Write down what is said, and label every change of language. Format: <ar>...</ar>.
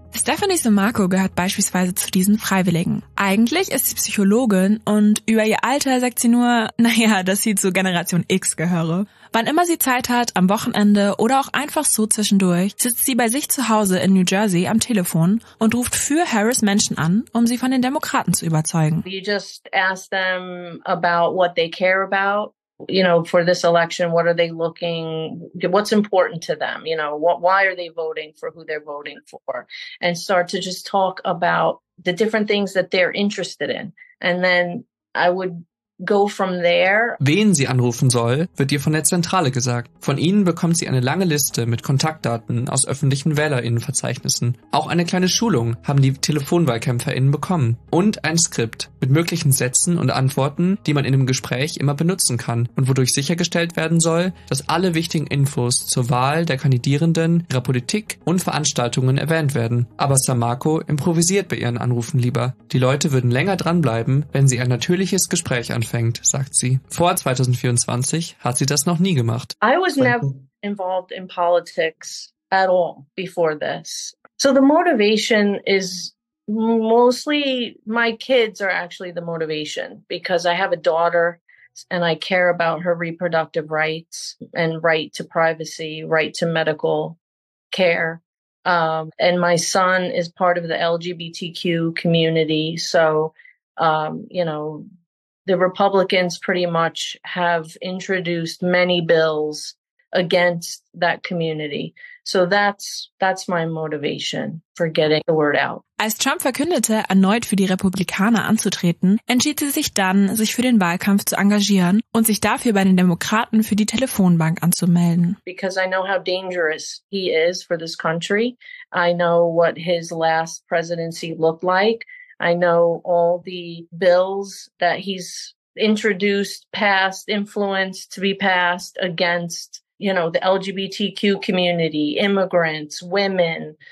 <de>Stephanie Somarco gehört beispielsweise zu diesen Freiwilligen. Eigentlich ist sie Psychologin und über ihr Alter sagt sie nur, naja, dass sie zu Generation X gehöre. Wann immer sie Zeit hat, am Wochenende oder auch einfach so zwischendurch, sitzt sie bei sich zu Hause in New Jersey am Telefon und ruft für Harris Menschen an, um sie von den Demokraten zu überzeugen.</de> <en>You just ask them about what they care about. You know, for this election, what are they looking, what's important to them? You know, why are they voting for who they're voting for? And start to just talk about the different things that they're interested in. And then I would go from there.</en> <de>Wen sie anrufen soll, wird ihr von der Zentrale gesagt. Von ihnen bekommt sie eine lange Liste mit Kontaktdaten aus öffentlichen WählerInnenverzeichnissen. Auch eine kleine Schulung haben die TelefonwahlkämpferInnen bekommen. Und ein Skript mit möglichen Sätzen und Antworten, die man in einem Gespräch immer benutzen kann und wodurch sichergestellt werden soll, dass alle wichtigen Infos zur Wahl der Kandidierenden, ihrer Politik und Veranstaltungen erwähnt werden. Aber Somarco improvisiert bei ihren Anrufen lieber. Die Leute würden länger dranbleiben, wenn sie ein natürliches Gespräch anfängt, sagt sie. Vor 2024 hat sie das noch nie gemacht.</de> <en>I was never involved in politics at all before this. So the motivation is mostly my kids are actually the motivation because I have a daughter and I care about her reproductive rights and right to privacy, right to medical care. And my son is part of the LGBTQ community. So, you know, the Republicans pretty much have introduced many bills against that community. So that's my motivation for getting the word out.</en> <de>Als Trump verkündete, erneut für die Republikaner anzutreten, entschied sie sich dann, sich für den Wahlkampf zu engagieren und sich dafür bei den Demokraten für die Telefonbank anzumelden.</de> <en>Because I know how dangerous he is for this country. I know what his last presidency looked like. I know all the bills that he's introduced, passed, influenced to be passed against, you know, the LGBTQ community, immigrants, women.</en>